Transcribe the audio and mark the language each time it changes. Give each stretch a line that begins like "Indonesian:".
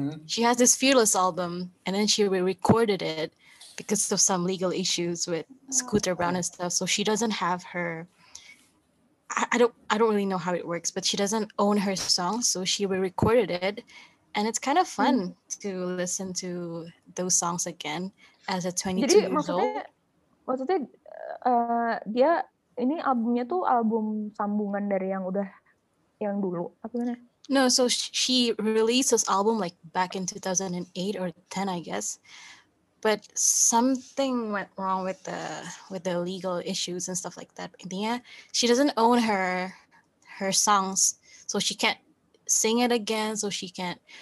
English: She has this Fearless album, and then she re-recorded it because of some legal issues with Scooter Brown and stuff. So she doesn't have her... I don't really know how it works, but she doesn't own her song, so she re-recorded it, and it's kind of fun to listen to those songs again as a 22 years old.
Indonesian: Maksudnya dia ini albumnya tuh album sambungan dari yang dulu apa gimana?
English: No, so she released this album like back in 2008 or 10, I guess. But something went wrong with the legal issues and stuff like that. In the end, she doesn't own her songs, so she can't sing it again. So she can't.